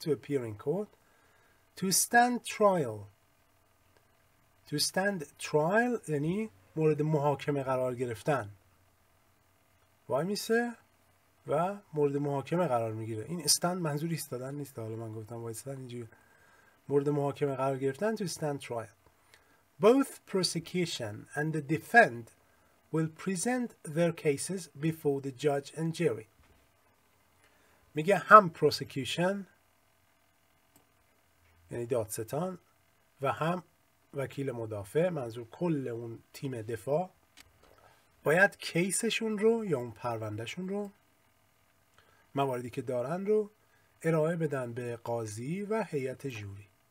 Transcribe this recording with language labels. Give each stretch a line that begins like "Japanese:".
English: To appear in court. To stand trial. To stand trial
Persian: یعنی مورد محاکمه قرار گرفتن. وای میسه و مورد محاکمه قرار میگیره. این stand منظور ایستادن نیست. حالا من گفتم وای استن اینجوری. مورد محاکمه قرار گرفتن.
English: To stand trial. Both prosecution and the defend will present their cases before the judge and jury.
Persian: میگه هم prosecution یعنی دادستان و هم وکیل مدافع، منظور کل اون تیم دفاع، باید کیسشون رو یا اون پروندهشون رو، مواردی که دارن رو، ارائه بدن به قاضی و هیئت جوری.